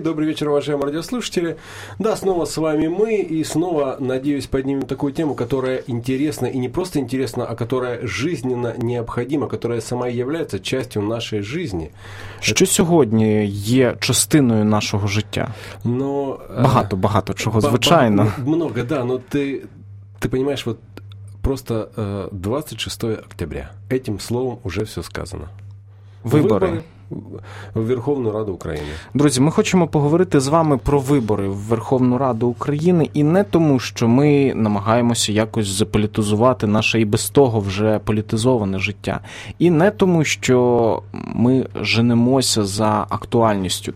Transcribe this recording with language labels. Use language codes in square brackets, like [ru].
[uk] Добрий вечір, уважаємо радіослушателі. Да, знову з вами ми. І знову, надіюсь, піднімемо таку тему, яка інтересна і не просто інтересна, а яка жизненно необхідна, яка сама є частиною нашої житті. Що сьогодні є частиною нашого життя? Ну, багато чого, звичайно. [ru] Много, да, [uk] но ти розумієш, от просто 26 [ru] октября. Этим словом уже все сказано. [uk] Вибори. В Верховну Раду України. Друзі, ми хочемо поговорити з вами про вибори в Верховну Раду України. І не тому, що ми намагаємося якось заполітизувати наше і без того вже політизоване життя. І не тому, що ми женемося за актуальністю.